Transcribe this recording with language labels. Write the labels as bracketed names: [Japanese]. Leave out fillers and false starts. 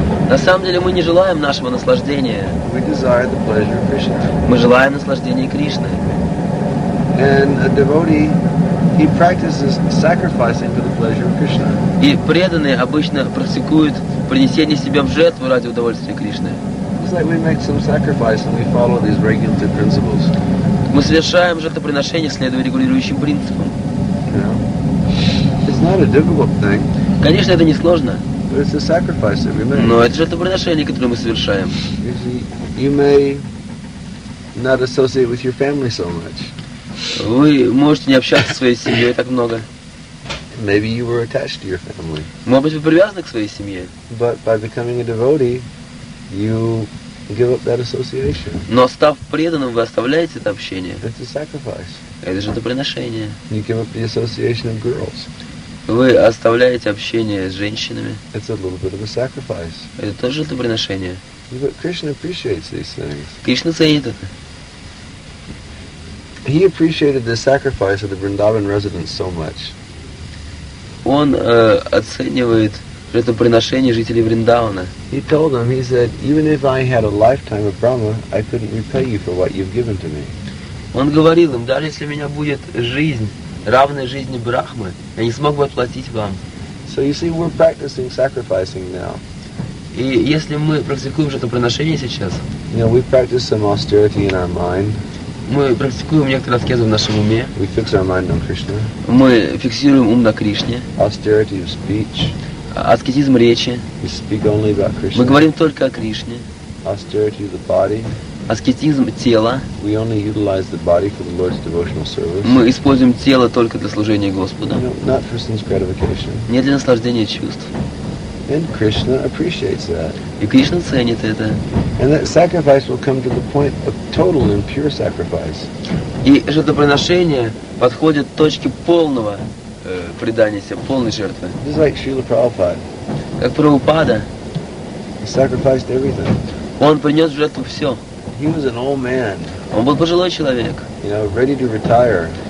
[Russian] На самом деле мы не желаем нашего наслаждения. [English] We desire the pleasure of Krishna. [Russian] Мы желаем наслаждения Кришны. [English] And a devotee, he practices sacrificing for the pleasure of Krishna. [Russian] И преданные обычно практикуют принесение себя в жертву ради удовольствия Кришны. [English] It's like we make some sacrifice and we follow these regulative principles. [Russian] Мы совершаем жертвоприношение, следуя регулирующим принципам. [English] It's not a difficult thing. [Russian] Конечно, это несложно. [English] But it's a sacrifice that we make. [Russian] Но это же это приношение, которое мы совершаем. [English] You may not associate with your family so much. [Russian] Вы можете не общаться со своей семьей так много. [English] Maybe you were attached to your family. [Russian] Может быть, вы привязаны к своей семье. [English] But by becoming a devotee, you give up that association. [Russian] Но став преданным, вы оставляете это общение. [English] It's a sacrifice. [Russian] Это же это приношение. [English] You give up the association of girls. [Russian] Вы оставляете общение с женщинами. [English] It's a little bit of a sacrifice. [Russian] Это тоже жертвоприношение. [English] But Krishna appreciates these things. [Russian] Кришна ценит это. [English] He appreciated the sacrifice of the Vrindavan residents so much. [Russian] Он оценивает жертвоприношение жителей Вриндавана. [English] He told them, he said, even if I had a lifetime of Brahma, I couldn't repay you for what you've given to me. [Russian] Он говорил им, даже если у меня будет жизнь, равной жизни Брахмы, я не смог бы отплатить вам. [English] So you see, we're practicing sacrificing now. [Russian] И если мы практикуем жертвоприношение сейчас, [English] you know, we practice some austerity in our mind. [Russian] Мы практикуем некоторые аскезы в нашем уме. [English] We fix our mind on Krishna. [Russian] Мы фиксируем ум на Кришне. [English] Austerity of speech. [Russian] Аскетизм речи. [English] We speak only about Krishna. [Russian] Мы говорим только о Кришне. [English] Austerity of the body. [Russian] Аскетизм тела. [English] We only utilize the body for the Lord's devotional service. [Russian] Мы используем тело только для служения Господу. [English] Not for sense gratification. [Russian] Не для наслаждения чувств. [English] And Krishna appreciates that. [Russian] И Кришна ценит это. [English] And that sacrifice will come to the point of total and pure sacrifice. [Russian] И жертвоприношение подходит к точке полного предания себя, полной жертвы. [English] Just like Srila Prabhupada. [Russian] Как Прабхупада. [English] He sacrificed everything. [Russian] Он принес в жертву все. [English] He was an old man. [Russian] Он был пожилой человек. [English] You know, ready to retire.